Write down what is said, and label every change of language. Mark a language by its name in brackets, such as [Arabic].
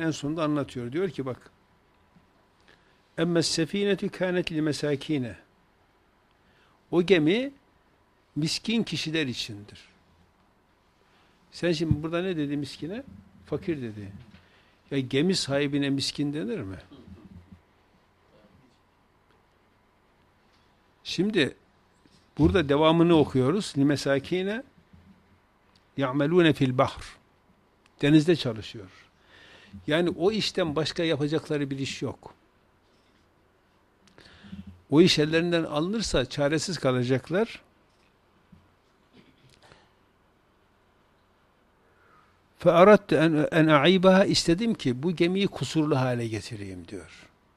[Turkish] En sonunda anlatıyor, diyor ki bak. [Arabic] اَمَّا السَّف۪ينَةُ كَانَتْ لِمَسَاك۪ينَ [Turkish] O gemi miskin kişiler içindir. Sen şimdi burada ne dedi miskine? Fakir dedi. Ya gemi sahibine miskin denir mi? Şimdi burada devamını okuyoruz. [Arabic] لِمَسَاك۪ينَ يَعْمَلُونَ فِي الْبَحْرِ [Turkish] Denizde çalışıyor. Yani o işten başka yapacakları bir iş yok. O iş ellerinden alınırsa çaresiz kalacaklar. [Arabic] فَاَرَدْتُ اَنْ اَعِيبَهَا [Turkish] İstedim ki bu gemiyi kusurlu hale getireyim diyor.